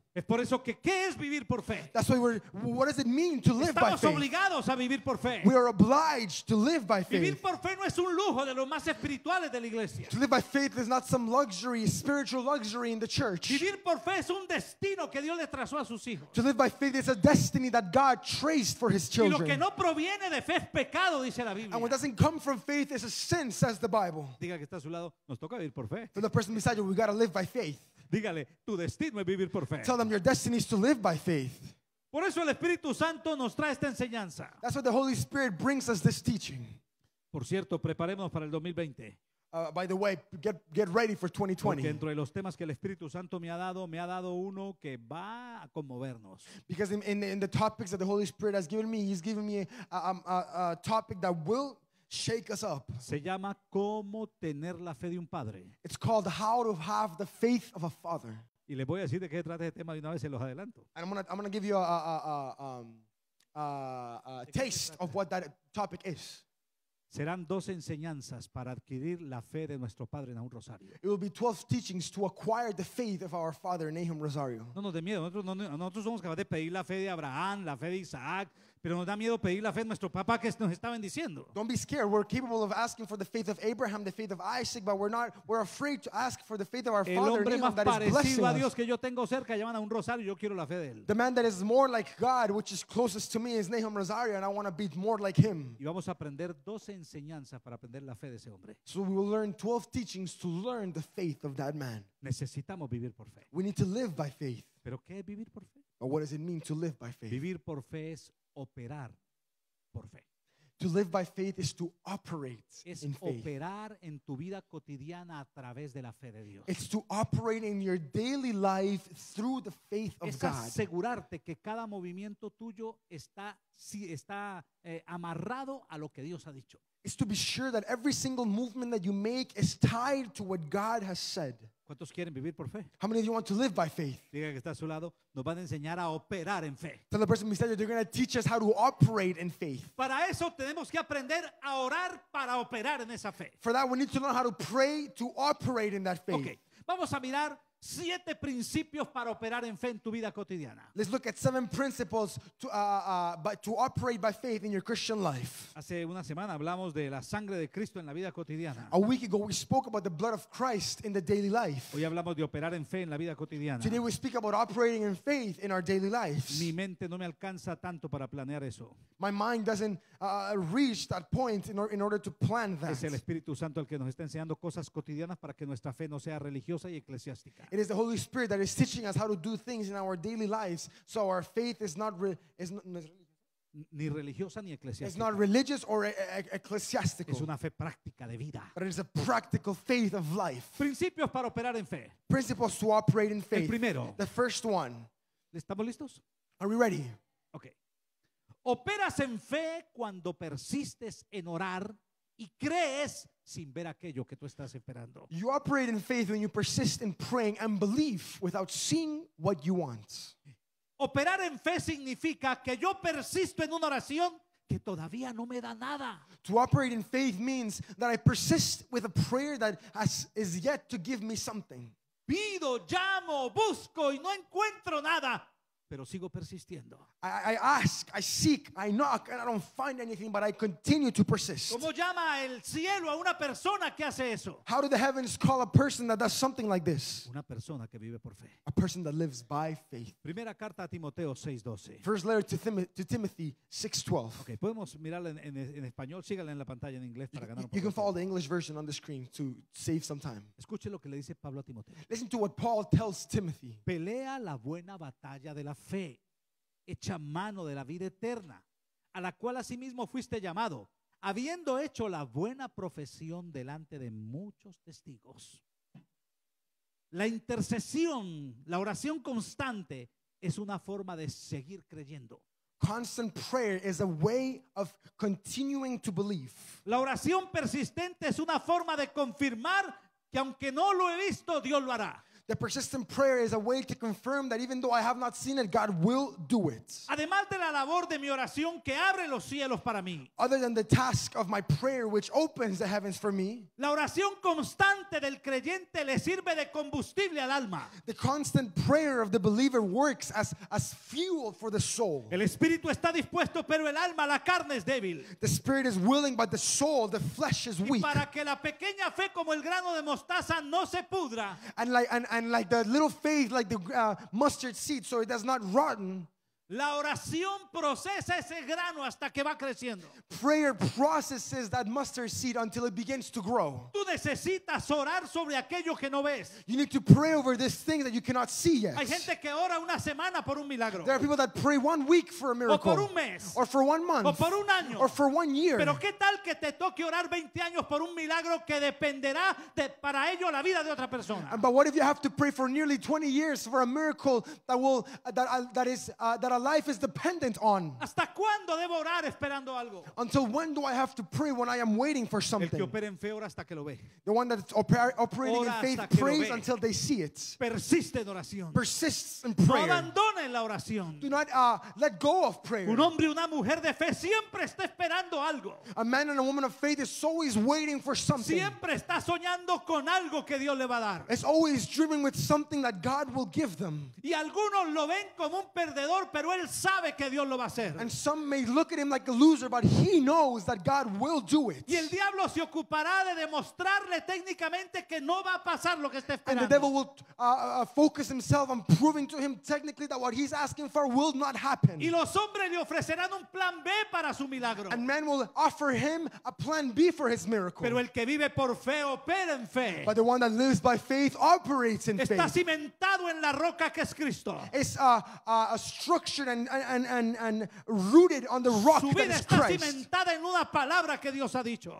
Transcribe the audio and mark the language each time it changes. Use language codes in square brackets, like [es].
[es] Es por eso que ¿qué es vivir por fe? [en] That's why we're. What does it mean to live [es] Estamos [en] by faith? [es] Obligados a vivir por fe. [en] We are obliged to live by faith. [es] Vivir por fe no es un lujo de los más espirituales de la iglesia. [en] To live by faith is not some luxury, spiritual luxury in the church. [es] Vivir por fe es un destino que Dios le trazó a sus hijos. [en] To live by faith is a destiny that God traced for His children. [es] Y lo que no proviene de fe es pecado, dice la Biblia. [en] And what doesn't come from faith is a sin, says the Bible. [es] Diga que está a su lado, nos toca vivir por fe. [en] To the person beside you, we gotta live by faith. [es] Dígale, tu destino es vivir por fe. [en] Tell them your destiny is to live by faith. [es] Por eso el Espíritu Santo nos trae esta enseñanza. [en] That's what the Holy Spirit brings us, this teaching. [es] Por cierto, preparémonos para el 2020. [en] By the way, get ready for 2020. [es] Porque entre los temas que el Espíritu Santo me ha dado uno que va a conmovernos. [en] Because in the topics that the Holy Spirit has given me, he's given me a topic that will shake us up. [es] Se llama cómo tener la fe de un padre. [en] It's called how to have the faith of a father. [es] Y les voy a decir de qué trata este tema de una vez, se los adelanto. [en] And I'm gonna give you a taste of what that topic is. [es] Serán dos enseñanzas para adquirir la fe de nuestro padre Nahum Rosario. [en] It will be 12 teachings to acquire the faith of our father Nahum Rosario. [es] No nos dé miedo, nosotros somos capaces de pedir la fe de Abraham, la fe de Isaac, pero nos da miedo pedir la fe de nuestro papá que nos está bendiciendo. [en] Don't be scared. We're capable of asking for the faith of Abraham, the faith of Isaac, but we're afraid to ask for the faith of our father. [es] El hombre más parecido a Dios [en] us. [es] Que yo tengo cerca llaman a un Rosario, yo quiero la fe de él. [en] The man that is more like God, which is closest to me, is Nahum Rosario, and I want to be more like him. [es] Y vamos a aprender 12 enseñanzas para aprender la fe de ese hombre. [en] So we will learn 12 teachings to learn the faith of that man. [es] Necesitamos vivir por fe. [en] We need to live by faith. [es] ¿Pero qué es vivir por fe? [en] But what does it mean to live by faith? [es] Vivir por fe es operar por fe. [en] To live by faith is to operate [es] es [en] in faith. [es] Operar en tu vida cotidiana a través de la fe de Dios. [en] It's to operate in your daily life through the faith of [es] es [en] God. [es] Es asegurarte que cada movimiento tuyo está si está amarrado a lo que Dios ha dicho. [en] It's to be sure that every single movement that you make is tied to what God has said. [es] ¿Cuántos quieren vivir por fe? [en] How many of you want to live by faith? [es] Diga que está a su lado, nos van a enseñar a operar en fe. [en] Tell the person beside you, they're going to teach us how to operate in faith. [es] Para eso tenemos que aprender a orar para operar en esa fe. [en] For that, we need to learn how to pray to operate in that faith. [es] Okay, vamos a mirar siete principios para operar en fe en tu vida cotidiana. [en] Let's look at seven principles to operate by faith in your Christian life. [es] Hace una semana hablamos de la sangre de Cristo en la vida cotidiana. [en] A week ago we spoke about the blood of Christ in the daily life. [es] Hoy hablamos de operar en fe en la vida cotidiana. [en] Today we speak about operating in faith in our daily lives. [es] Mi mente no me alcanza tanto para planear eso. [en] My mind doesn't reach that point in order to plan that. [es] Es el Espíritu Santo el que nos está enseñando cosas cotidianas para que nuestra fe no sea religiosa y eclesiástica. [en] It is the Holy Spirit that is teaching us how to do things in our daily lives, so our faith is not [es] ni religiosa ni eclesiástica. [en] It's not religious or ecclesiastical. [es] Es una fe práctica de vida. [en] But it is a practical faith of life. [es] Principios para operar en fe. [en] Principles to operate in faith. [es] El primero. [en] The first one. [es] ¿Estamos listos? [en] Are we ready? Okay. [es] Operas en fe cuando persistes en orar y crees sin ver aquello que tú estás esperando. [en] You operate in faith when you persist in praying and believe without seeing what you want. [es] Operar en fe significa que yo persisto en una oración que todavía no me da nada. [en] To operate in faith means that I persist with a prayer that is yet to give me something. [es] Pido, llamo, busco y no encuentro nada, pero sigo persistiendo. [en] I ask, I seek, I knock, and I don't find anything, but I continue to persist. [es] ¿Cómo llama el cielo a una persona que hace eso? [en] How do the heavens call a person that does something like this? [es] Una persona que vive por fe. [en] A person that lives by faith. [es] Primera carta a Timoteo 6:12. [en] First letter to Timothy 6:12. [es] Okay, podemos mirarla en español. Sígala en la pantalla en inglés para ganar. [en] You can follow the English version on the screen to save some time. [es] Escuche lo que le dice Pablo a Timoteo. [en] Listen to what Paul tells Timothy. [es] Pelea la buena batalla de la fe. Echa mano de la vida eterna, a la cual asimismo fuiste llamado, habiendo hecho la buena profesión delante de muchos testigos. La intercesión, la oración constante, es una forma de seguir creyendo. [en] Constant prayer is a way of continuing to believe. [es] La oración persistente es una forma de confirmar que aunque no lo he visto, Dios lo hará. [en] The persistent prayer is a way to confirm that even though I have not seen it, God will do it. [es] Además de la labor de mi oración que abre los cielos para mí. [en] Other than the task of my prayer which opens the heavens for me. [es] La oración constante del creyente le sirve de combustible al alma. [en] The constant prayer of the believer works as fuel for the soul. [es] El espíritu está dispuesto, pero el alma, la carne es débil. [en] The spirit is willing, but the soul, the flesh is weak. [es] Y para que la pequeña fe como el grano de mostaza no se pudra. [en] And like the little faith, like the mustard seed, so it does not rotten. [es] La oración procesa ese grano hasta que va creciendo. [en] Prayer processes that mustard seed until it begins to grow. [es] Tú necesitas orar sobre aquello que no ves. [en] You need to pray over this thing that you cannot see yet. [es] Hay gente que ora una semana por un milagro. [en] There are people that pray 1 week for a miracle. [es] O por un mes. [en] Or for 1 month. [es] O por un año. [en] Or for 1 year. [es] Pero qué tal que te toque orar 20 años por un milagro que dependerá de, para ello la vida de otra persona. [en] But what if you have to pray for nearly 20 years for a miracle that will that our life is dependent on? [es] ¿Hasta cuándo debo orar esperando algo? [en] Until when do I have to pray when I am waiting for something? [es] El que opera en fe ora hasta que lo ve. [en] The one that's operating [es] ora [en] in faith prays until they see it. [es] Persiste en oración. [en] Persists in prayer. [es] No abandone la oración. [en] Do not let go of prayer. [es] Un hombre y una mujer de fe siempre está esperando algo. [en] A man and a woman of faith is always waiting for something. [es] Siempre está soñando con algo que Dios le va a dar. [en] It's always dreaming with something that God will give them. [es] Y algunos lo ven como un perdedor, pero él sabe que Dios lo va a hacer. [en] And some may look at him like a loser, but he knows that God will do it. [es] Y el diablo se ocupará de demostrarle técnicamente que no va a pasar lo que está esperando. [en] And the devil will focus himself on proving to him technically that what he's asking for will not happen. [es] Y los hombres le ofrecerán un plan B para su milagro. [en] And men will offer him a plan B for his miracle. [es] Pero el que vive por fe opera en fe. [en] But the one that lives by faith operates in [es] está [en] faith. [es] Está cimentado en la roca que es Cristo. [en] It's a structured and rooted on the rock [es] su vida [en] that is [es] está [en] Christ. [es] Cimentada en una palabra que Dios ha dicho.